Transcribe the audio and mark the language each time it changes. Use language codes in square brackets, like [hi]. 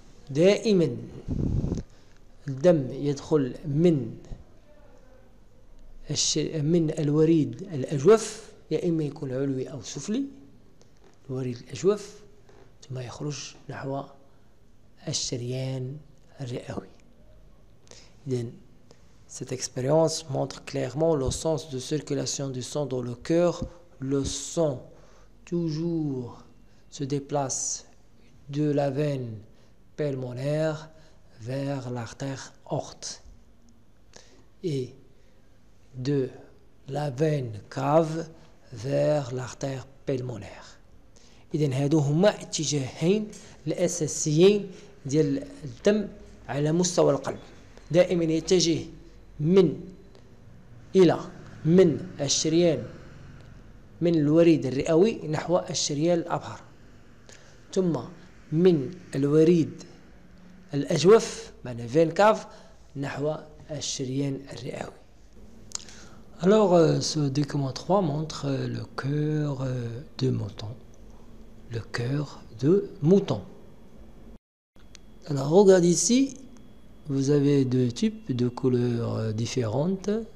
[ar] دائما الدم يدخل من من الوريد الأجوف، يا إما يكون علوي أو سفلي الوريد الأجوف، ثم يخرج نحو الشريان الرئوي. إذن [fr] cette expérience montre clairement le sens de circulation du sang dans le cœur. Le sang toujours se déplace de la veine pulmonaire vers l'artère aorte et de la veine cave vers l'artère pulmonaire. Et donc, ces deux directions sont essentielles pour le sang à la niveau du cœur. [ar] دائماً يتجه من إلى من الشريان من الوريد الرئوي نحو الشريان الأبهر، ثم من الوريد الأجوف معنى فين كاف نحو الشريان الرئوي. [fr] Alors ce document 3 montre le cœur de mouton. Le cœur de mouton. Alors regarde ici. Vous avez deux tubes de couleurs différentes.